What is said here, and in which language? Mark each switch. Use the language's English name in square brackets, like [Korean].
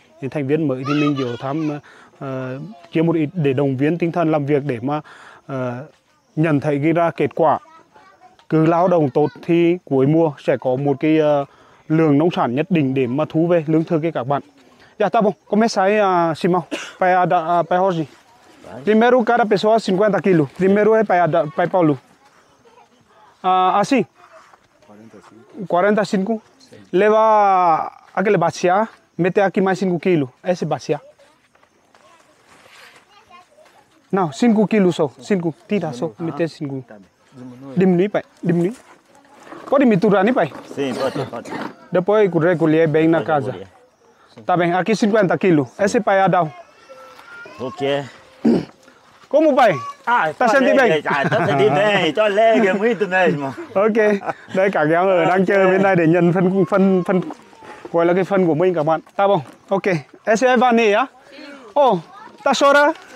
[Vietnamese] Thì thành viên mới thì mình vừa tham chia một ít để đồng viên tinh thần làm việc, để mà nhận thấy ghi ra kết quả. Cứ lao động tốt thì cuối mùa sẽ có một cái lượng nông sản nhất định để mà thu về lương thực các bạn. [Portuguese] Dạ tá bom. Começa aí, Simão. Pai da Pai Jorge. Primeiro cada pessoa 50 kg. Primeiro é Pai da Pai Paulo. Assim. 45. Leva aquele bacia, mete aqui mais 5 kg. Esse bacia. Não, 5 kg só. 5. Tira só, mete 5. Diminui, pai. Diminui. Pode me turar, né, pai? Sim, pode. Depois eu recolher bem na casa. Tá bem, aqui 50 quilos. Esse pai é Adão. O quê? Como, pai? Ah, tá sentindo bem? Tá sentindo bem, tô alegre, muito mesmo. Ok. [Vietnamese] Đây, cả cái ông ở đang chơi bên đây để nhận phân, gọi là cái phân của mình các bạn. [Portuguese] Tá bom, ok. Esse é Vani, á? Ô, tá chora?